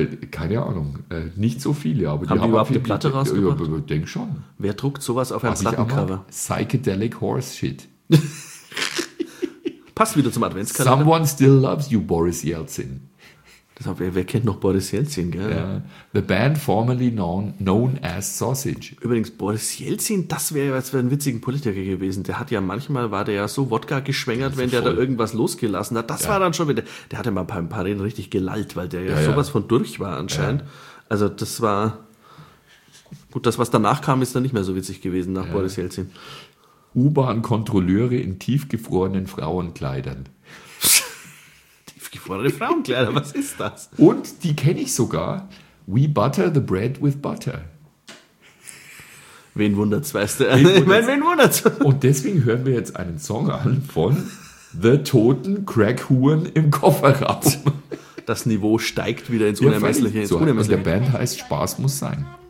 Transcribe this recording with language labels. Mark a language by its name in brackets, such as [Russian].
[German] Keine Ahnung, nicht so viele. Aber haben die haben überhaupt eine Platte rausgebracht? Ich denke schon. Wer druckt sowas auf einem Plattencover? [English] Psychedelic Horse Shit. [German] Passt wieder zum Adventskalender. [English] Someone Still Loves You, Boris Yeltsin. [German] Das hat, wer kennt noch Boris Yeltsin, gell? [English] Yeah. The band formerly known as Sausage. [German] Übrigens, Boris Yeltsin, das wäre jetzt ein witziger Politiker gewesen. Der hat ja manchmal, war der ja so Wodka geschwängert, wenn der da irgendwas losgelassen hat. Das war dann schon wieder, der hat ja mal ein paar Reden richtig gelallt, weil der ja sowas von durch war anscheinend. Ja. Also das war, gut, das was danach kam, ist dann nicht mehr so witzig gewesen nach Boris Yeltsin. U-Bahn-Kontrolleure in tiefgefrorenen Frauenkleidern. Gefrorene Frauenkleider, was ist das? Und die kenne ich sogar. [English] We butter the bread with butter. [German] Wen wundert's, weißt du? Wen wundert's? Und deswegen hören wir jetzt einen Song an von The Toten Crackhuren im Kofferraum. Das Niveau steigt wieder ins Unermessliche. So und der Band heißt Spaß muss sein.